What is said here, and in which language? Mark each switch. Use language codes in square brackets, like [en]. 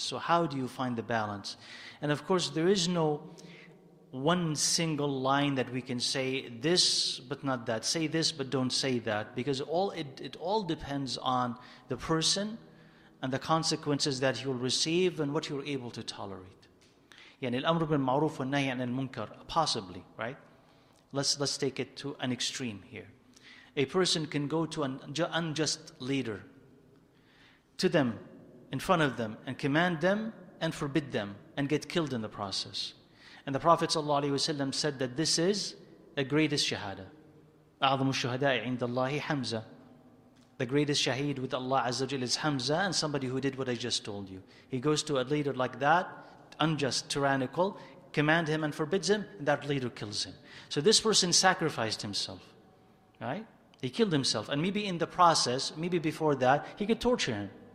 [en] So how do you find the balance? And of course, there is no one single line that we can say this but not that, say this but don't say that, because it all depends on the person and the consequences that you'll receive and what you're able to tolerate. [ar] يعني الأمر بالمعروف والنهي عن المنكر, [en] possibly, right? Let's take it to an extreme here. A person can go to an unjust leader, to them, in front of them, and command them and forbid them and get killed in the process. And the Prophet ﷺ said that this is the greatest shahada, [ar] أعظم الشهداء عند الله حمزة. [en] The greatest shaheed with Allah Azza wa Jalla is Hamza, and somebody who did what I just told you. He goes to a leader like that, unjust, tyrannical, command him and forbids him, and that leader kills him. So this person sacrificed himself, right? He killed himself, and maybe in the process, maybe before that, he could torture him.